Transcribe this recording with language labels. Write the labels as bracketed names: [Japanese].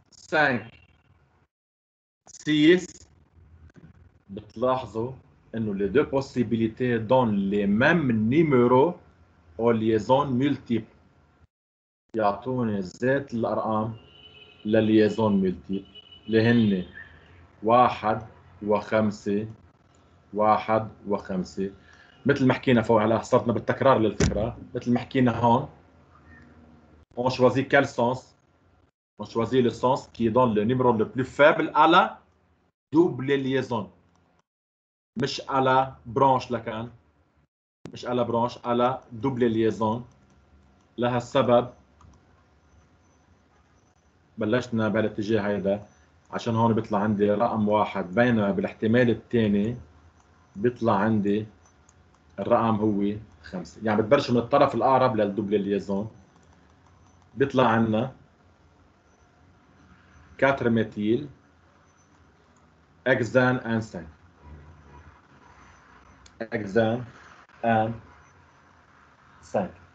[Arabic] 5 6، بتلاحظوا إنه لي دو بوسيبيليتي دون لي ميم نيميرو أو ليزون ملتيبل، يعطوني ذات الأرقام لليزون ملتيبل اللي هن 1 و5 واحد وخمسة. مثل ما حكينا فوق، على حصرتنا بالتكرار للفكرة، مثل ما حكينا هون [French] on choisit quel sens، on choisit le sens qui donne le numéro le plus faible à la double liaison، مش à la branche، [Arabic] لكن مش [French] à la branche، à la double liaison. [Arabic] لها السبب بلشنا بالاتجاه هيدا، عشان هون بيطلع عندي رقم واحد، بينما بالاحتمال الثاني بيطلع عندي الرقم هو 5. يعني بتبلش من الطرف الاقرب للدوبل ليزون، بيطلع عندنا 4 ميتيل اكزان ان سان، اكزان ان سان.